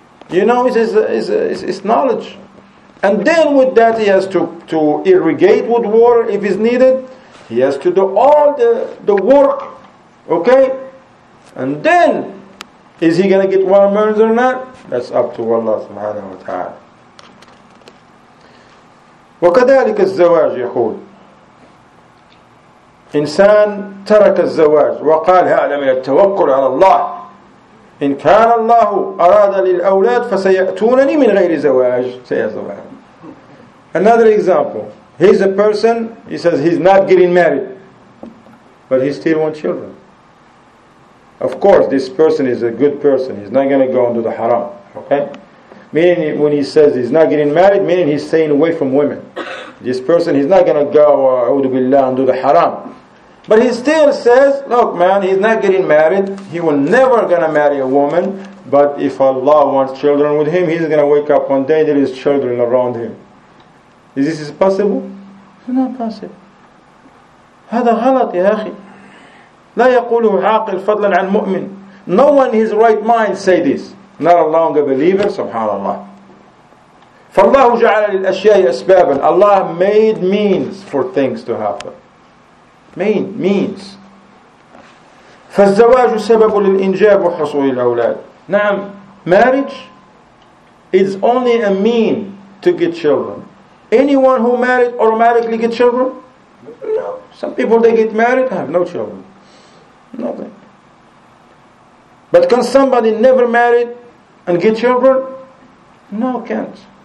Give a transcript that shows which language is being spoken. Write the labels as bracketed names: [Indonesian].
[English] You know, it's knowledge. And then with that, he has to irrigate with water if it's needed. He has to do all the work, okay? And then, is he going to get watermelons or not? That's up to Allah subhanahu wa ta'ala. [Arabic] وَكَذَلِكَ الزَّوَاجِ يَقُولُ إنسان ترك الزواج وقال هذا من التوكل على الله إن كان الله أراد للأولاد فسيأتونني من غير زواج سيزواج. [English] Another example. He's a person. He says he's not getting married, but he still wants children. Of course, this person is a good person. He's not going to go into the haram. Okay. Meaning, when he says he's not getting married, meaning he's staying away from women. This person, he's not going to go [Arabic] أعوذ بالله [English] and do the haram. But he still says, look man, he's not getting married. He will never gonna marry a woman. But if Allah wants children with him, he's gonna wake up one day, there is children around him. Is this possible? It's not possible. [Arabic] هذا غلط يا أخي. لا يقوله عاقل فضلا عن مؤمن. [English] No one in his right mind say this. Not a longer believer, subhanAllah. [Arabic] فالله جعل للأشياء أسبابا. [English] Allah made means for things to happen. Means. [Arabic] فالزواج سبب للإنجاب وحصول الأولاد. [English] نعم, marriage is only a mean to get children. Anyone who married automatically get children? No. Some people they get married have no children. Nothing. But can somebody never married and get children? No, can't.